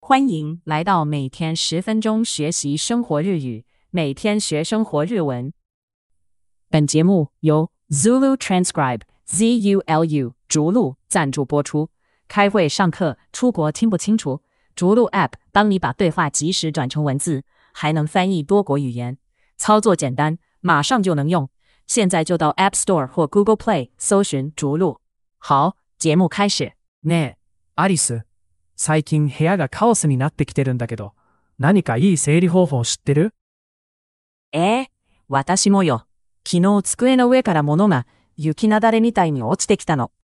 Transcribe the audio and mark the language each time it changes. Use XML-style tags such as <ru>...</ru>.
<zh>欢迎来到每天十分钟学习生活日语，每天学生活日文。本节目由 Zulu Transcribe ZULU 逐鹿赞助播出。开会、上课、出国听不清楚，逐鹿 App 帮你把对话及时转成文字，还能翻译多国语言，操作简单，马上就能用。现在就到 App Store 或 Google Play 搜寻逐鹿。好，节目开始。</zh> <ja>ねえ、アリス。最近部屋がカオスになってきてるんだけど、何かいい整理方法知ってる？私もよ。昨日机の上から物が雪なだれみたいに落ちてきたの。</ja>